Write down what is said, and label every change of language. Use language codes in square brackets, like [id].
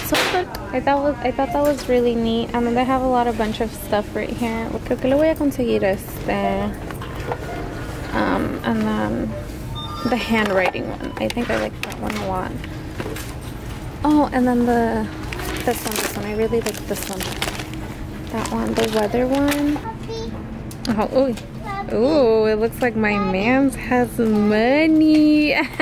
[en] So I thought that was really neat. And then they have a lot of bunch of stuff right here. [es] Creo que lo voy a conseguir este. [en] And then the handwriting one. I think I like that one a lot. Oh, and then this one. I really like this one. That one, the weather one. Oh, ooh. Ooh, it looks like my man's has money.